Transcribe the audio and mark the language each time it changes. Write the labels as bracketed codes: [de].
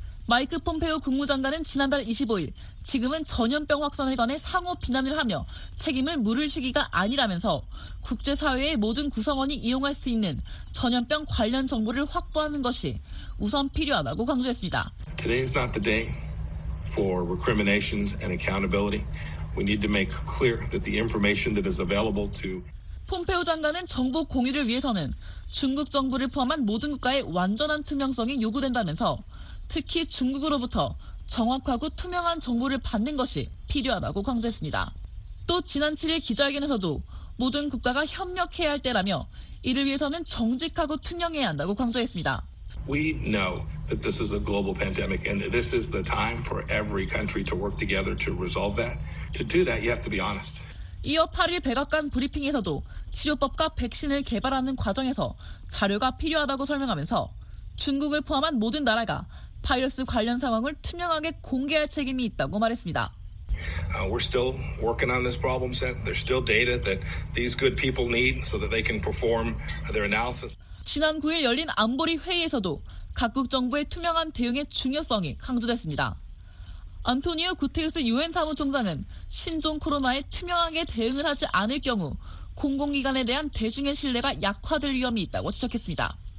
[ko] 마이크 폼페오 국무장관은 지난달 25일 지금은 전염병 확산에 관해 상호 비난을 하며 책임을 물을 시기가 아니라면서 국제사회의 모든 구성원이 이용할 수 있는 전염병 관련 정보를 확보하는 것이 우선 필요하다고 강조했습니다. [en] Today is not the day for recriminations and accountability. We need to make clear that the information that is available to [ko] 폼페오 장관은 정보 공유를 위해서는 중국 정부를 포함한 모든 국가의 완전한 투명성이 요구된다면서 특히 중국으로부터 정확하고 투명한 정보를 받는 것이 필요하다고 강조했습니다. 또 지난 7일 기자회견에서도 모든 국가가 협력해야 할 때라며 이를 위해서는 정직하고 투명해야 한다고 강조했습니다. [en] We know that this is a global pandemic and this is the time for every country to work together to resolve that. To do that, you have to be honest. [ko] 이어 8일 백악관 브리핑에서도 치료법과 백신을 개발하는 과정에서 자료가 필요하다고 설명하면서 중국을 포함한 모든 나라가 바이러스 관련 상황을 투명하게 공개할 책임이 있다고 말했습니다. [en] We're still working on this problem set. There's still data that these good people need so that they can perform their analysis. [ko] 지난 9일 열린 안보리 회의에서도 각국 정부의 투명한 대응의 중요성이 강조됐습니다. 안토니오 구테우스 유엔 사무총장은 신종 코로나에 투명하게 대응을 하지 않을 경우 공공기관에 대한 대중의 신뢰가 약화될 위험이 있다고 지적했습니다.